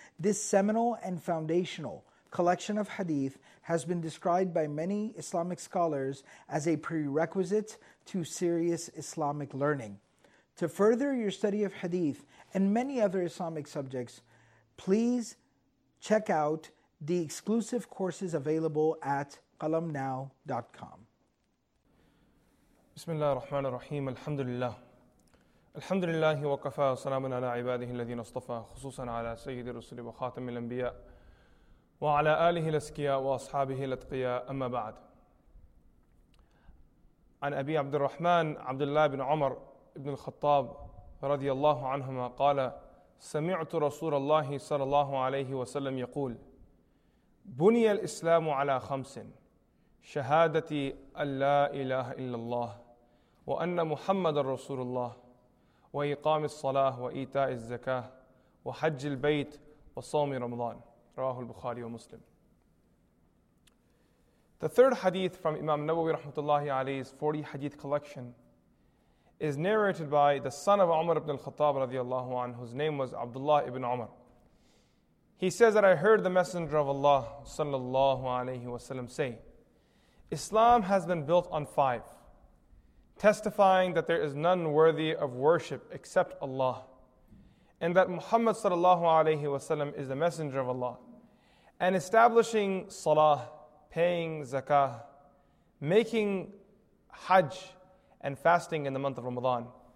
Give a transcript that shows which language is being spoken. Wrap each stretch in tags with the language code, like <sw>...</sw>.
<en>This seminal and foundational collection of hadith has been described by many Islamic scholars as a prerequisite to serious Islamic learning. To further your study of hadith and many other Islamic subjects, please check out the exclusive courses available at qalamnow.com.</en> <ar>بسم الله الرحمن الرحيم الحمد لله الحمد لله وكفى وسلام على عباده الذين اصطفى خصوصا على سيد الرسل وخاتم الانبياء وعلى اله الاسكياء واصحابه الاتقياء اما بعد عن ابي عبد الرحمن عبد الله بن عمر بن الخطاب رضي الله عنهما قال سمعت رسول الله صلى الله عليه وسلم يقول بني الاسلام على خمس شهادتي ان لا اله الا الله وأن محمد رسول الله وإقام الصلاة وإيتاء الزكاة وحج البيت وصوم رمضان رواه البخاري ومسلم.</ar> <en>The third hadith from Imam Nawawi rahmatullahi alayhi's 40 hadith collection is narrated by the son of Umar ibn al-Khattab radiyallahu an, whose name was Abdullah ibn Umar. He says that I heard the Messenger of Allah sallallahu alayhi wasallam say, Islam has been built on five, testifying that there is none worthy of worship except Allah, and that Muhammad sallallahu alayhi wasallam is the Messenger of Allah, and establishing salah, paying zakah, making hajj, and fasting in the month of Ramadan.</en>